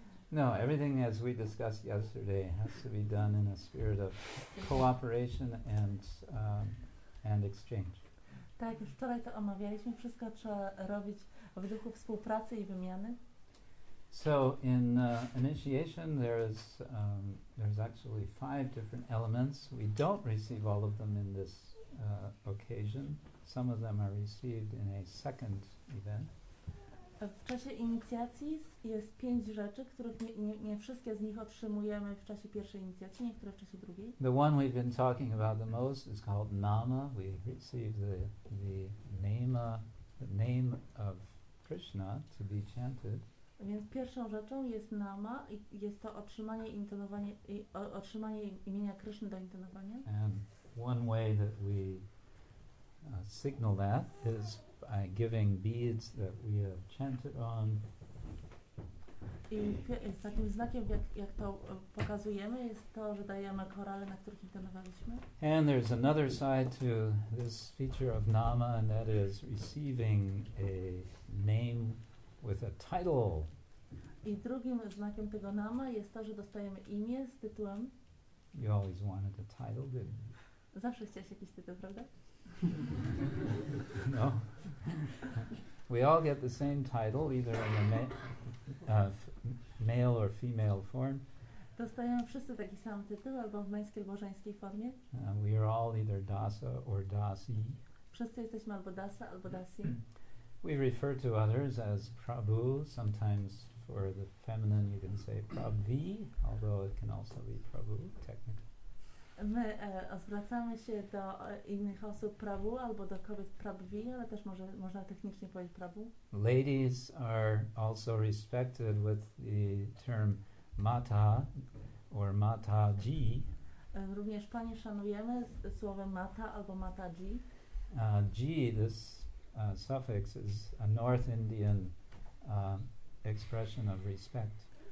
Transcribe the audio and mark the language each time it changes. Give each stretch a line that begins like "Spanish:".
English: No, everything as we discussed yesterday has to be done in a spirit of cooperation and exchange.
Polish: Tak, już wczoraj to omawialiśmy, wszystko trzeba robić w duchu współpracy i wymiany.
English: So in initiation there's actually five different elements. We don't receive all of them in this occasion. Some of them are received in a second event.
Polish: W czasie inicjacji jest pięć rzeczy, których nie wszystkie z nich otrzymujemy w czasie pierwszej inicjacji, niektóre w czasie drugiej.
English: The one we've been talking about the most is called Nama. We receive the name of Krishna to be chanted.
Polish: Więc pierwszą rzeczą jest Nama i jest to otrzymanie intonowanie i otrzymanie imienia Krishna do intonowania.
English: And one way that we signal that is by giving beads that we have chanted on.
Polish: I takim znakiem, jak to pokazujemy, jest to, że dajemy korale, na których intonowaliśmy.
English: And there's another side to this feature of Nama, and that is receiving a name with a title.
Polish: I drugim znakiem tego Nama jest to, że dostajemy imię z tytułem.
English: You always wanted a title, didn't you?
Polish: Zawsze chciałeś jakiś tytuł, prawda?
English: No. We all get the same title, either in the male or female form.
Polish: Dostajemy wszyscy taki sam tytuł, albo w męskiej, albo żeńskiej formie.
English: We are all either Dasa or Dasi.
Polish: Wszyscy jesteśmy albo Dasa, albo Dasi.
English: We refer to others as Prabhu. Sometimes for the feminine you can say Prabhvi, although it can also be Prabhu, technically.
Polish: My zwracamy się do innych osób Prabhu, albo do kobiet Prabhvi, ale też można technicznie powiedzieć Prabhu.
English: Ladies are also respected with the term Mata or Mataji.
Polish: Również panie szanujemy słowem Mata albo Mataji.
English: Ji, this suffix is a North Indian expression of respect.